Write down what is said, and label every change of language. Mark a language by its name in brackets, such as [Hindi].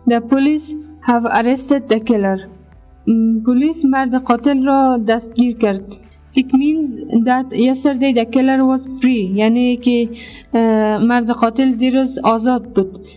[Persian] پلیس مرد قاتل را دستگیر کرد. [English] It means that yesterday the killer was free. [Persian] یعنی که مرد قاتل دیروز آزاد بود.